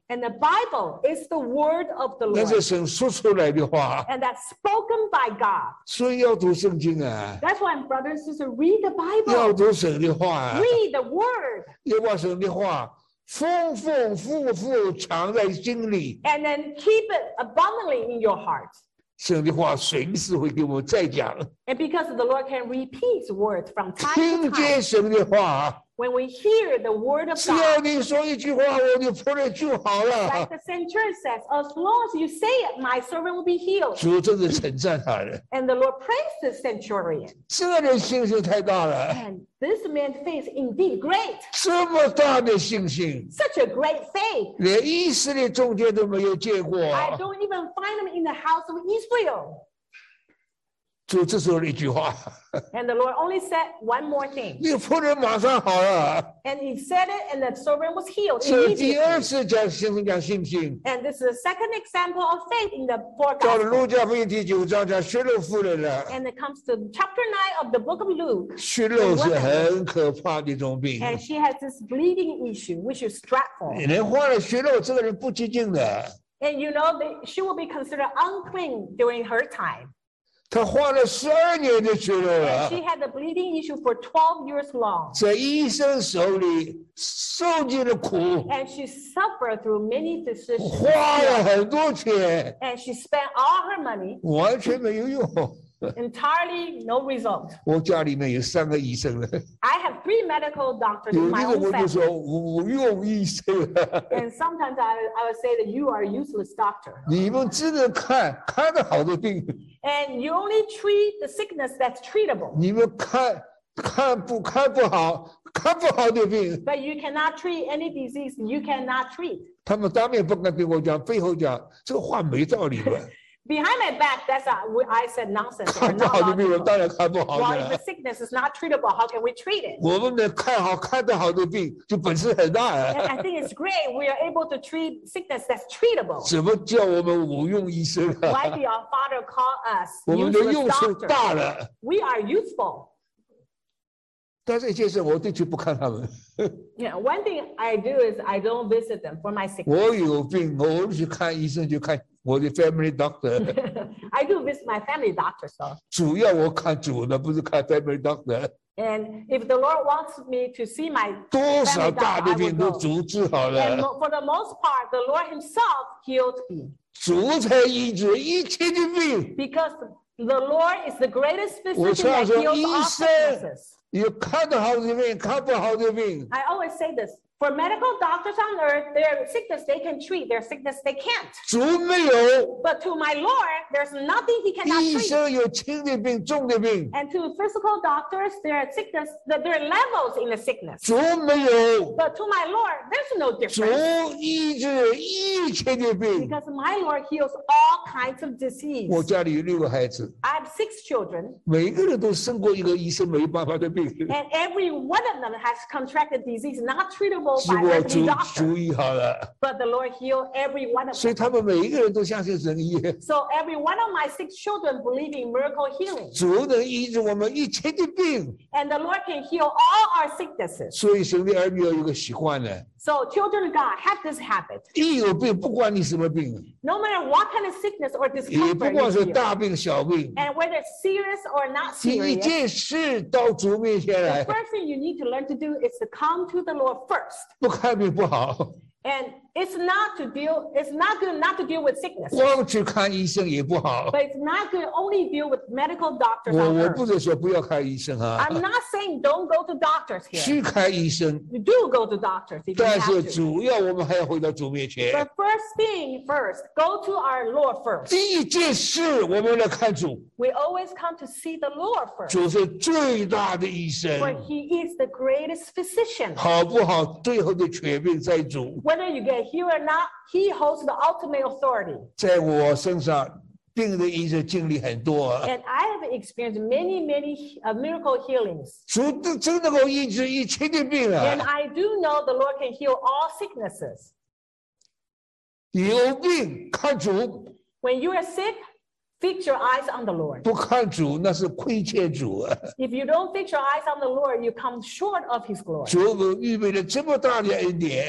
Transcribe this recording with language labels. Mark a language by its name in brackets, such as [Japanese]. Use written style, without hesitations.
[English] and the Bible is the word of the Lord, [Chinese] 那是神说出来的话 [English] and that's spoken by God, [Chinese] 所以要读圣经啊 [English] that's why brothers and sisters read the Bible, [Chinese] 要读神的话 [English] read the word, [Chinese] 要把神的话丰丰富富藏在心里 [English] and then keep it abundantly in your heart. [Chinese] 神的话随时会给我们再讲 [English] and because the Lord can repeat words from time to time. [Chinese] 听见神的话 [English] when we hear the word of God. [Chinese] 只要你说一句话，我的仆人就好了。 [English] Like the centurion says, as long as you say it, my servant will be healed. [Chinese] 主真的称赞他了 [English] and the Lord praised the centurion. [Chinese] 这人信心太大了。 [English] This man's faith is indeed great. [Chinese] 这么大的信心 [English] Such a great faith. [Chinese] 连以色列中间都没有见过。 [English] I don't even find him in the house of Israel. [Chinese] 主这时候一句话。 [English] And the Lord only said one more thing. [Chinese] 那个仆人马上好了。 [English] And he said it, and the servant was healed immediately. [Chinese] 所以第二次讲先生讲信心。 [English] And this is the second example of faith in the four gospels. [Chinese] 到了路加福音第九章讲血漏妇人了。 [English] And it comes to chapter 9 of the book of Luke. [Chinese] 血漏是很可怕的一种病。 [English] And she has this bleeding issue, which is dreadful. [Chinese] 人患了血漏，这个人不洁净的。 [English] And you know, she will be considered unclean during her time. [Chinese] 她患了十二年的血漏了。 [English] She had a bleeding issue for 12 years long. [Chinese] 在医生手里受尽了苦。 [English] And she suffered through many physicians. [Chinese] 花了很多钱。 [English] And she spent all her money. [Chinese] 完全没有用。 [English] Entirely no result. [Chinese] 我家里面有三个医生了。 [English] I have three medical doctors in my own family. [Chinese] 有一个我就说无用医生了。 [English] And sometimes I would say that you are a useless doctor. [Chinese] 你们只能看看得好的病。 [English] And you only treat the sickness that's treatable. [Chinese] 你们看不好，看不好的病。 [English] But you cannot treat any disease you cannot treat. [Chinese] 他们当面不敢跟我讲，背后讲，这个话没道理吧。 [English] Behind my back, that's what I said nonsense. [Chinese] 看不好的病人当然看不好的。 [English] Well, if the sickness is not treatable, how can we treat it? [Chinese] 我们能看好看得好的病，就本事很大了。 [English] And I think it's great we are able to treat sickness that's treatable. [Chinese] 怎么叫我们无用医生啊？ [English] Why do our father call us useless doctors? [Chinese] 我们的用处大了。 [English] We are useful. [Chinese] 但是一件事，我的确不看他们。 [English] Yeah, one thing I do is I don't visit them for my sickness. [Chinese] 我有病，我去看医生就看。我的 [English] family doctor. I do visit my family doctor, so. [Chinese] 主要我看主的，不是看 [English] family doctor. And if the Lord wants me to see my family doctor, [Chinese] 多少大的病都主治好了。 [English] And for the most part, the Lord himself healed me. [Chinese] 主才医治一切的病。 [English] Because the Lord is the greatest physician that heals all diseases. [Chinese] 有看得好的病，看不好的病。 [English] I always say this. For medical doctors on earth, their sickness they can treat, their sickness they can't. [Chinese] 主没有。 [English] But to my Lord, there's nothing he cannot treat. [Chinese] 医生有轻的病，重的病。 [English] And to physical doctors, their sickness, their levels in the sickness. [Chinese] 主没有。 [English] But to my Lord, there's no difference. [Chinese] 主医治一切的病。 [English] Because my Lord heals all kinds of disease. [Chinese] 我家里有六个孩子。 [English] I have six children. [Chinese] 每个人都生过一个医生没办法的病。 [English] And every one of them has contracted disease, not treated. [Chinese] 是我主医好了。 [English] But the Lord healed every one of them. [Chinese] 所以他们每一个人都相信神医。 [English] So every one of my six children believe in miracle healing. [Chinese] 主能医治我们一切的病。 [English] And the Lord can heal all our sicknesses. [Chinese] 所以神的儿女有一个习惯呢。 [English] So children of God have this habit. [Chinese] 一有病，不管你什么病。 [English] No matter what kind of sickness or discomfort. [Chinese] 也不管是大病小病。 [English] And whether serious or not serious. [Chinese] 第一件事到主面前来。 [English] The first thing you need to learn to do is to come to the Lord first. [Chinese] 不看病不好。 [English] And it's not to deal. It's not good not to deal with sickness. [Chinese] 光去看医生也不好。 [English] But it's not good only deal with medical doctors. [Chinese] 我不是说不要看医生啊。 [English] I'm not saying don't go to doctors here. [Chinese] 去看医生。 [English] You do go to doctors. [Chinese] 但是主要我们还要回到主面前。 [English] But first thing first, go to our Lord first. [Chinese] 第一件事，我们来看主。 [English] We always come to see the Lord first. [Chinese] 主是最大的医生。 [English] For He is the greatest physician. [Chinese] 好不好？最后的权柄在主。 [English] Whether you get healed or not, He holds the ultimate authority. [Chinese] 在我身上，病的医生经历很多。 [English] And I have experienced many, many miracle healings. [Chinese] 主真能够医治一切的病啊。 [English] And I do know the Lord can heal all sicknesses. [Chinese] 有病看主。 [English] When you are sick, fix your eyes on the Lord. [Chinese] 不看主，那是亏欠主啊。 [English] If you don't fix your eyes on the Lord, you come short of His glory. [Chinese] 主预备了这么大的恩典。